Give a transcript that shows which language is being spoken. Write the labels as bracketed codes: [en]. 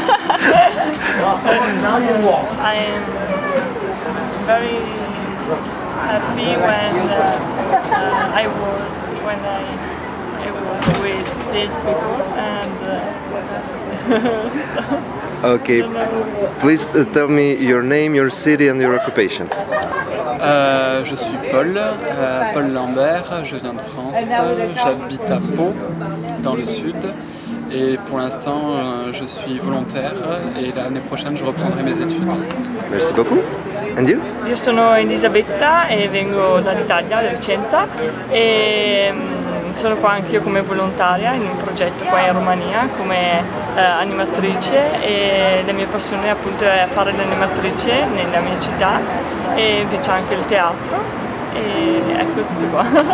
[en] I am very happy when I was with these people and. Okay, please tell me your name, your city and your occupation. [fr] Je suis Paul, Paul Lambert, je viens de France, j'habite à Pau, dans le sud, et pour l'instant je suis volontaire et l'année prochaine je reprendrai mes études. Merci beaucoup. [en] And you? [it] Io sono Elisabetta e vengo dall'Italia, da Vicenza, e sono qua anch'io come volontaria in un progetto qua in Romania come animatrice e la mia passione appunto è fare l'animatrice nella mia città e invece anche il teatro e ecco tutto qua.